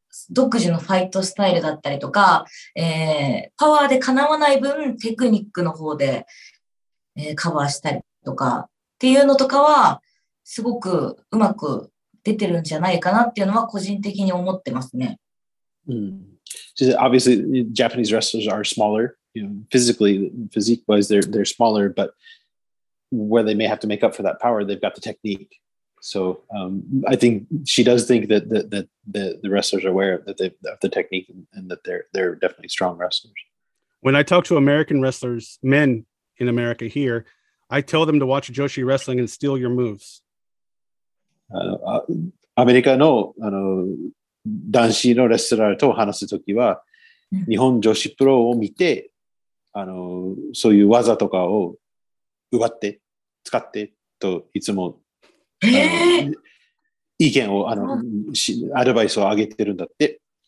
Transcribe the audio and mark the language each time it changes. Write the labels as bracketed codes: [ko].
[ja] 独自のファイトスタイルだったりとか、パワーでかなわない分テクニックの方で、カバーしたりとかっていうのとかはすごくうまく出てるんじゃないかなっていうのは個人的に思ってますね。 [en] うん。So obviously, Japanese wrestlers are smaller, you know, physically, physique-wise, they're smaller, but where they may have to make up for that power, they've got the technique. So, I think she does think that the wrestlers are aware of the technique and that they're definitely strong wrestlers. When I talk to American wrestlers, men in America here, I tell them to watch Joshi wrestling and steal your moves. [ja] America no,男子のレスラーと話すときは、日本女子プロを見て、そういう技とかを奪って、使ってといつも意見をアドバイスをあげてるんだって。